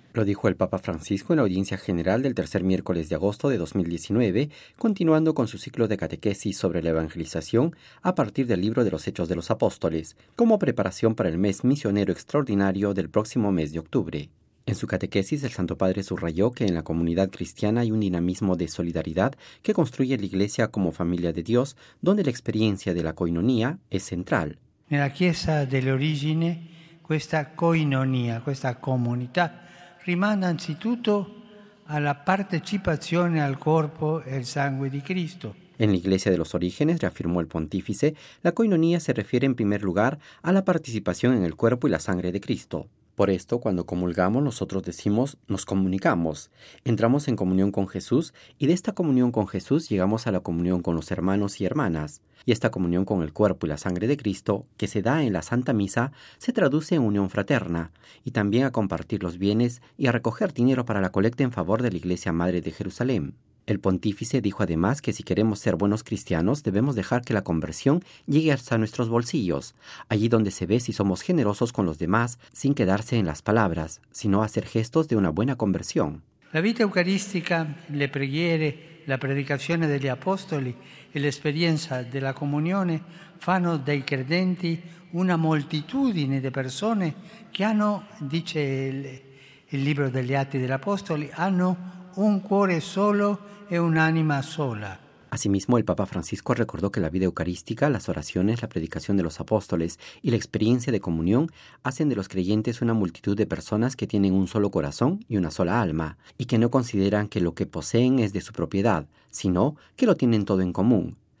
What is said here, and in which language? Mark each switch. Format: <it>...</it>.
<es>Lo dijo el Papa Francisco en la audiencia general del tercer miércoles de agosto de 2019, continuando con su ciclo de catequesis sobre la evangelización a partir del libro de los Hechos de los Apóstoles, como preparación para el mes misionero extraordinario del próximo mes de octubre. En su catequesis, el Santo Padre subrayó que en la comunidad cristiana hay un dinamismo de solidaridad que construye la Iglesia como familia de Dios, donde la experiencia de la koinonía es central.</es> <it>En la Chiesa dell'Origine,</it> <es>esta koinonía, esta comunidad,</es> <it>rimanda anzitutto alla partecipazione al corpo e al sangue di Cristo.</it> <es>En la Iglesia de los Orígenes, reafirmó el pontífice, la koinonía se refiere en primer lugar a la participación en el cuerpo y la sangre de Cristo. Por esto, cuando comulgamos, nosotros decimos, nos comunicamos. Entramos en comunión con Jesús y de esta comunión con Jesús llegamos a la comunión con los hermanos y hermanas. Y esta comunión con el cuerpo y la sangre de Cristo, que se da en la Santa Misa, se traduce en unión fraterna y también a compartir los bienes y a recoger dinero para la colecta en favor de la Iglesia Madre de Jerusalén. El pontífice dijo además que si queremos ser buenos cristianos, debemos dejar que la conversión llegue hasta nuestros bolsillos, allí donde se ve si somos generosos con los demás, sin quedarse en las palabras, sino hacer gestos de una buena conversión.</es> <it>La vita eucarística, le preghiere, la predicazione degli apostoli e l'esperienza della comunione fanno dei credenti una moltitudine di persone che hanno, dice il libro degli Atti degli Apostoli, hanno un cuore solo e un'anima sola.</it> <es>Asimismo, el Papa Francisco recordó que la vida eucarística, las oraciones, la predicación de los apóstoles y la experiencia de comunión hacen de los creyentes una multitud de personas que tienen un solo corazón y una sola alma, y que no consideran que lo que poseen es de su propiedad, sino que lo tienen todo en común.</es>